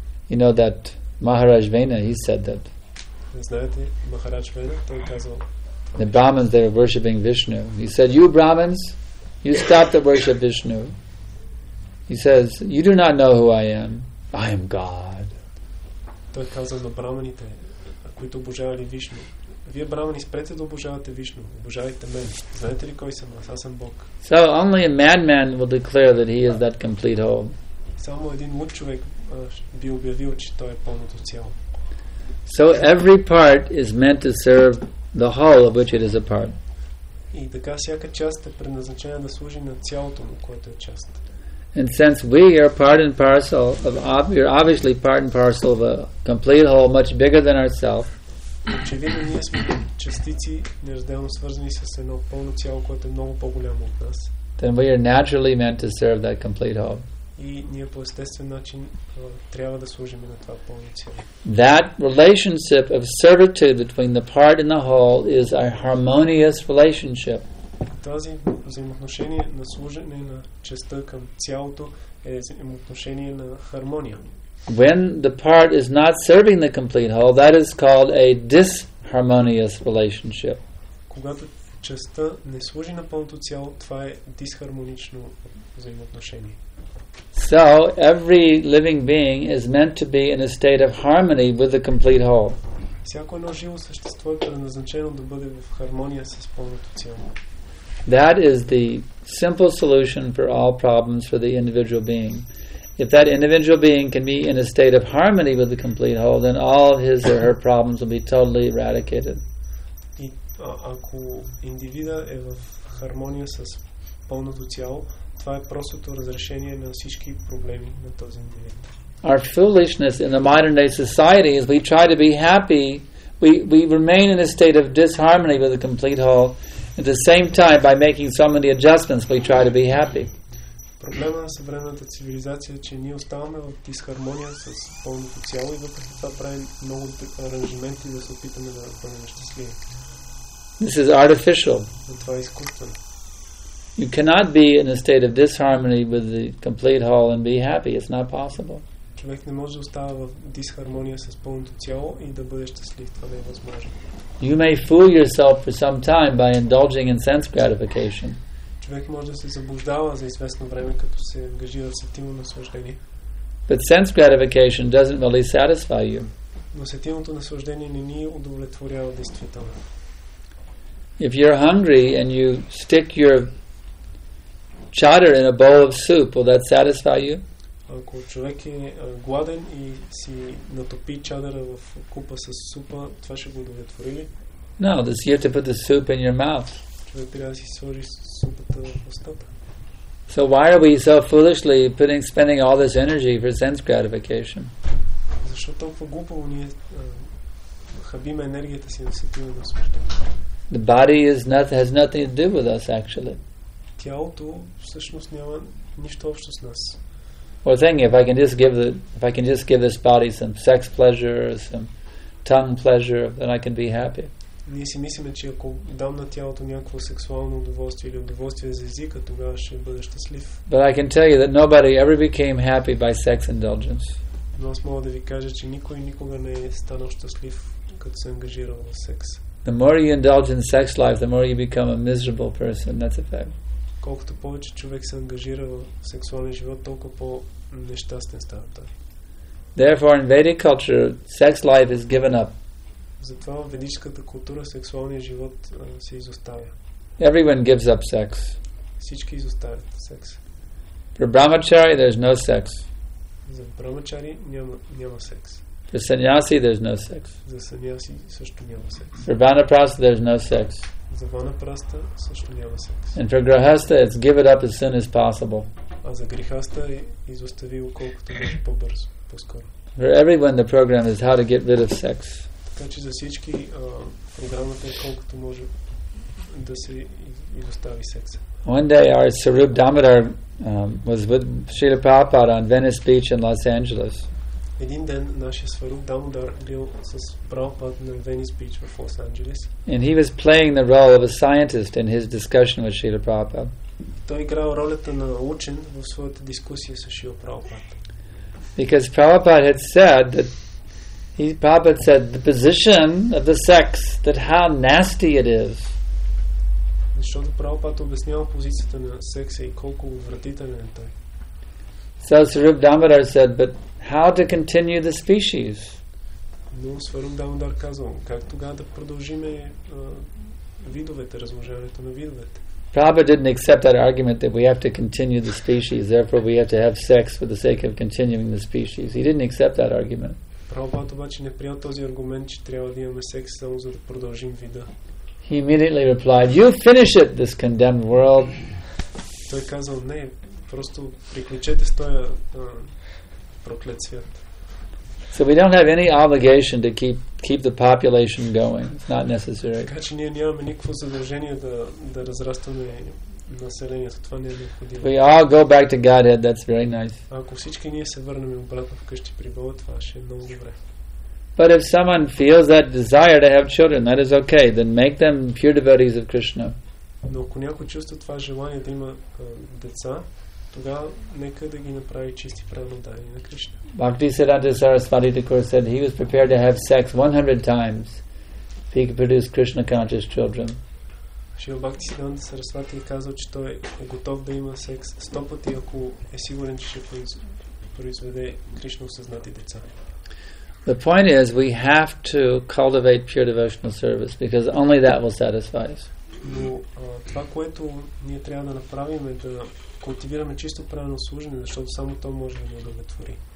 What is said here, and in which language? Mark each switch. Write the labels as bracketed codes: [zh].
[en] You know that Maharaj Vena, he said that. [bg] Знаете, Maharaj Vena, той казал. [en] The Brahmins, they were worshipping Vishnu. He said, "You Brahmins, you stop to worship Vishnu." He says, "You do not know who I am. I am God." [bg] Той казал на браманите, които обожавали Вишну. Вие брамани, спрете да обожавате Вишну. Обожавайте мен. Знаете ли кой съм аз? Аз съм Бог. [en] So only a madman will declare that he is that complete whole. [bg] Само един луд човек би обявил, че той е пълното цяло. [en] So every part is meant to serve the whole of which it is a part. [bg] И така всяка част е предназначена да служи на цялото, на което е част. [en] And since we are part and parcel of, we are obviously part and parcel of a complete whole much bigger than ourselves. [bg] Очевидно, ние сме частици, неразделно свързани с едно пълно цяло, което е много по-голямо от нас. [en] Then we are naturally meant to serve that complete whole. [bg] и ние по естествен начин трябва да служим на това пълно цяло. [en] That relationship of servitude between the part and the whole is a harmonious relationship. [bg] Тази взаимоотношение на служене на частта към цялото е взаимоотношение на хармония. [en] When the part is not serving the complete whole, that is called a disharmonious relationship. [bg] Когато частта не служи на пълното цяло, това е дисхармонично взаимоотношение. [en] So, every living being is meant to be in a state of harmony with the complete whole. [bg] Всяко едно живо същество е предназначено да бъде в хармония с пълното цяло. [en] That is the simple solution for all problems for the individual being. If that individual being can be in a state of harmony with the complete whole, then all of his or her problems will be totally eradicated. [bg] И ако индивида е в хармония с пълното цяло, това е простото разрешение на всички проблеми на този индивид. [en] Our foolishness in the modern day society is we try to be happy, we remain in a state of disharmony with the complete whole. At the same time, by making so many adjustments, we try to be happy. [bg] Проблема на съвременната цивилизация е, че ние оставаме в дисхармония с пълното цяло и въпреки това правим много аранжименти да се опитаме да бъдем щастливи. [en] This is artificial. [bg] Това е изкуствено. [en] You cannot be in a state of disharmony with the complete whole and be happy. It's not possible. [bg] Човек не може да остава в дисхармония с пълното цяло и да бъде щастлив. Това не е възможно. [en] You may fool yourself for some time by indulging in sense gratification. [bg] Човек може да се заблуждава за известно време, като се ангажира в сетивно наслаждение. [en] But sense gratification doesn't really satisfy you. [bg] Но сетивното наслаждение не ни удовлетворява действително. [en] If you're hungry and you stick your chowder in a bowl of soup, will that satisfy you? [bg] Ако човек е гладен и си натопи чадъра в купа с супа, това ще го удовлетвори ли? [en] No, this, you have to put the soup in your mouth. [bg] Човек трябва да си сложи супата в устата. [en] So why are we so foolishly spending all this energy for sense gratification? [bg] Защо толкова глупаво ние хабим енергията си на сетивно наслаждение? [en] The body is not, has nothing to do with us, actually. [bg] Тялото всъщност няма нищо общо с нас. [en] Well, thing, if I can just give this body some sex pleasure or some tongue pleasure, then I can be happy. [bg] Ние си мислиме, че ако дам на тялото някакво сексуално удоволствие или удоволствие за езика, тогава ще бъда щастлив. [en] But I can tell you that nobody ever became happy by sex indulgence. [bg] Но аз мога да ви кажа, че никой никога не е станал щастлив, като се ангажирал в секс. [en] The more you indulge in sex life, the more you become a miserable person. That's a fact. [bg] Колкото повече човек се ангажира в сексуален живот, толкова по-нещастен става той. [en] Therefore, in Vedic culture, sex life is given up. [bg] Затова в ведическата култура сексуалният живот се изоставя. [en] Everyone gives up sex. [bg] Всички изоставят секс. [en] For brahmachari, there's no sex. [bg] За брахмачари няма секс. [en] For sannyasi, there's no sex. [bg] За сънняси също няма секс. [en] For vanaprastha, there's no sex. [bg] За ванапраста също няма секс. [en] And for grahastha, it's give it up as soon as possible. [bg] А за грихаста е изостави го колкото може по-бързо, по-скоро. [en] For everyone, the program is how to get rid of sex. [bg] Така че за всички програмата е колкото може да се изостави секс. [en] One day, our Sarup Damodar was with Srila Prabhupada on Venice Beach in Los Angeles. [bg] Един ден нашия Сварук Дамодар бил с Прабхупад на Венис Бич в Лос Анджелес. [en] And he was playing the role of a scientist in his discussion with Srila Prabhupad. [bg] Той играл ролята на учен в своята дискусия с Шрила Прабхупад. [en] Because Prabhupad had said that Prabhupad said the position of the sex, that how nasty it is. [bg] Защото Прабхупад обяснява позицията на секса и колко отвратителен е той. [en] So Сварук Дамодар said, but how to continue the species. [bg] Но Сварук Дамодар казал, как тогава да продължиме видовете, размножаването на видовете. [en] Prabhupada didn't accept that argument that we have to continue the species, therefore we have to have sex for the sake of continuing the species. He didn't accept that argument. [bg] Prabhupada обаче не приел този аргумент, че трябва да имаме секс само за да продължим вида. [en] He immediately replied, you finish it, this condemned world. [bg] Той казал, не, просто приключете с този проклет свят. [en] So we don't have any obligation to keep the population going. It's not necessary. [bg] Така че ние нямаме никакво задължение да разрастваме населението. Това не е необходимо. [en] We all go back to Godhead, that's very nice. [bg] Ако всички ние се върнем обратно вкъщи при Бога, това ще е много добре. [en] But if someone feels that desire to have children, that is okay. Then make them pure devotees of Krishna. [bg] Но ако някой чувства това желание да има деца, тогава нека да ги направи чисти преданни на Кришна. [en] Bhakti Siddhanta Sarasvati Thakur said he was prepared to have sex 100 times if he could produce Krishna conscious children. [bg] Шрила Бхакти Сиддханта Сарасвати казал, че той е готов да има секс 100 пъти, ако е сигурен, че ще произведе Кришна осъзнати деца. [en] The point is, we have to cultivate pure devotional service because only that will satisfy us. [bg] Но това, което ние трябва да направим, е да култивираме чисто правилно служение, защото само то може да ни удовлетвори.